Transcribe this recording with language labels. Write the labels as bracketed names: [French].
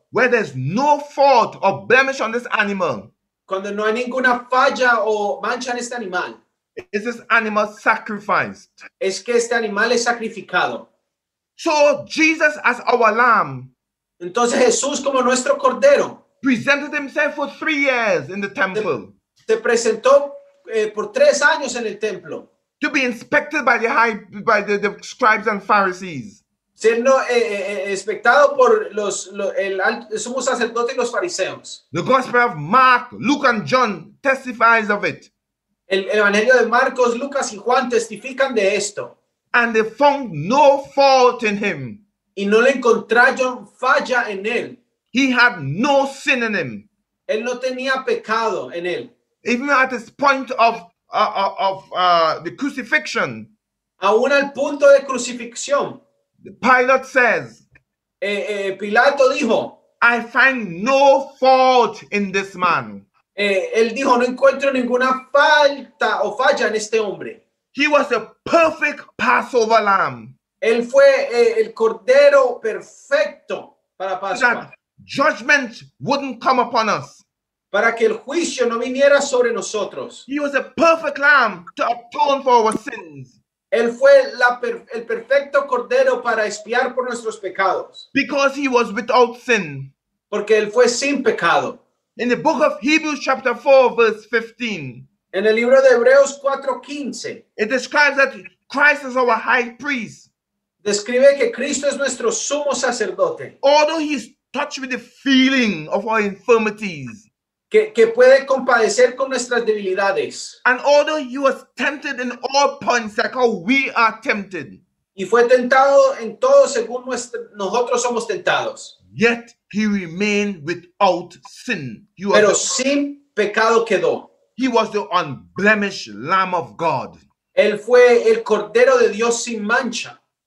[English] Where there's no fault or blemish on this animal. [Spanish] Cuando no hay ninguna falla o mancha en este animal. [English] Is this animal sacrificed? [Spanish] Es que este animal es sacrificado. [English] So Jesus as our lamb. [Spanish] Entonces Jesús como nuestro cordero. [English] Presented himself for 3 years in the temple. [Spanish] Se presentó por 3 años en el templo. [English] To be inspected by the scribes and Pharisees. [Spanish] Siendo inspectado por el sumo sacerdote y los fariseos. [English] The Gospel of Mark, Luke and John testifies of it. [Spanish] El Evangelio de Marcos, Lucas y Juan testifican de esto. [English] And they found no fault in him. [Spanish] Y no le encontraron falla en él. [English] He had no sin in him. [Spanish] Él no tenía pecado en él. [English] Even at this point the crucifixion. [Spanish] Aún al punto de crucifixión. [English] Pilate says. [Spanish] Pilato dijo. [English] I find no fault in this man. [Spanish] Él dijo, no encuentro ninguna falta o falla en este hombre. [English] He was a perfect Passover lamb. [Spanish] Él fue el cordero perfecto para Pascua. [English] That judgment wouldn't come upon us. [Spanish] Para que el juicio no viniera sobre nosotros. [English] He was a perfect lamb to atone for our sins. [Spanish] Él fue el perfecto cordero para expiar por nuestros pecados. [English] Because he was without sin. [Spanish] Porque él fue sin pecado. [English] In the book of Hebrews chapter 4 verse 15. [Spanish] En el libro de Hebreos 4:15. [English] It describes that Christ is our high priest. [Spanish] Describe que Cristo es nuestro sumo sacerdote. [English] Although he is touched with the feeling of our infirmities. [Spanish] Que puede compadecer con nuestras debilidades. [English] And although he was tempted in all points like how we are tempted. [Spanish] Y fue tentado en todo según nosotros somos tentados. [English] Yet he remained without sin. [Spanish] Pero sin pecado quedó. [English] He was the unblemished Lamb of God. [Spanish] Él fue el cordero de Dios sin mancha.